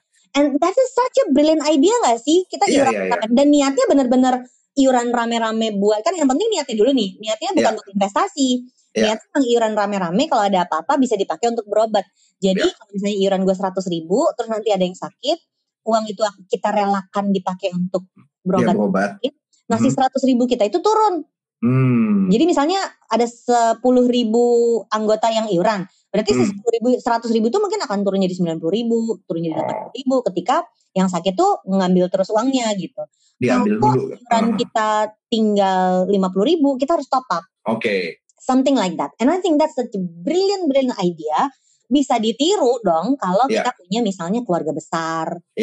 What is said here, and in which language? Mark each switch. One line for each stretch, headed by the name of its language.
English: And that is such a brilliant idea
Indonesian: nggak sih? Kita iuran. Yeah. Dan niatnya benar-benar iuran rame-rame buat. Kan yang penting niatnya dulu nih. Niatnya bukan untuk investasi. Niatnya yang iuran rame-rame, kalau ada apa-apa bisa dipakai untuk berobat. Jadi kalau misalnya iuran gue 100.000, terus nanti ada yang sakit, uang itu kita relakan dipakai untuk berobat. Nah, si 100.000 kita itu turun. Jadi misalnya ada 10.000 anggota yang iuran, berarti si 100.000 itu mungkin akan turun jadi 90.000, turun jadi 80.000 ketika yang sakit tuh ngambil terus uangnya gitu. Diambil dulu. Iuran kita tinggal 50.000, kita harus top up.
English: Something like that. And I think that's such a brilliant idea.
Indonesian: Bisa ditiru dong kalau kita punya misalnya keluarga besar.